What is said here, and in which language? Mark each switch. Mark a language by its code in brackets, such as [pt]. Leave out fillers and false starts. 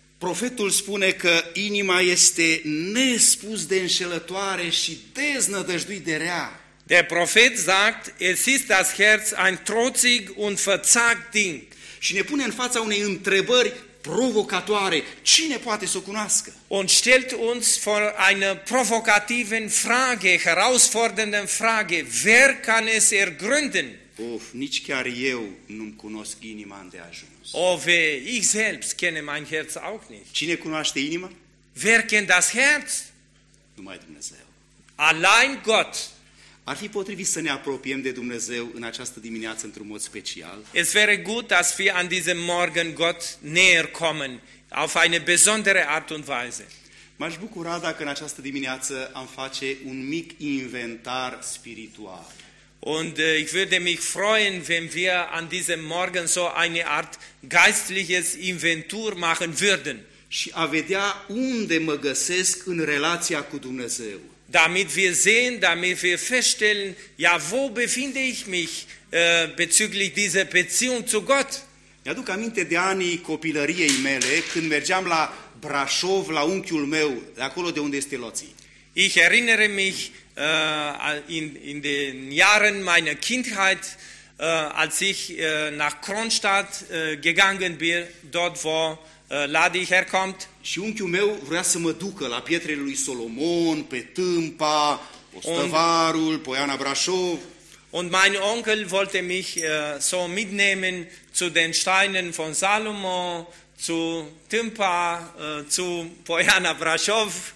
[ro] Profetul spune că inima este nespus de înșelătoare și deznădăjduit de rea. [de] Der Prophet sagt, es ist das Herz ein trotzig und verzagt Ding. [ro] Și ne pune în fața unei întrebări provocatoare. Cine poate să o cunoască? [de] Und stellt uns vor einer provokativen Frage, herausfordernden Frage, wer kann es ergründen? [ro] Uf, nici chiar eu nu-mi cunosc inima îndeajuns. [de] Ove, ich selbst kenne mein Herz auch nicht. [ro] Cine cunoaște inima? [de] Wer kennt das Herz? [ro] Numai Dumnezeu. [de] Allein Gott. [ro] Ar fi potrivit să ne apropiem de Dumnezeu în această dimineață într-un mod special. [de] Es wäre gut, dass wir an diesem Morgen Gott näher kommen, auf eine besondere Art und Weise. [ro] M-aș bucura dacă în această dimineață am face un mic inventar spiritual. [de] Und ich würde mich freuen, wenn wir an diesem Morgen so eine Art geistliches Inventur machen würden. [ro] Și a vedea unde mă găsesc în relația cu Dumnezeu. [de] Damit wir sehen, damit wir feststellen, ja, wo befinde ich mich bezüglich dieser Beziehung zu Gott? [ro] Mi-aduc aminte de anii copilăriei mele, când mergeam la Brașov, la unchiul meu, de acolo de unde este Loții. [de] Ich erinnere mich in den Jahren meiner Kindheit, als ich nach Kronstadt gegangen bin, dort wo Ladi herkommt. [ro] Și unchiul meu vrea să mă ducă la pietrele lui Solomon, pe Tâmpa, Ostăvarul, Poiana Brașov. [de] Und mein Onkel wollte mich so mitnehmen zu den Steinen von Salomo, zu Tâmpa, zu Poiana Brașov.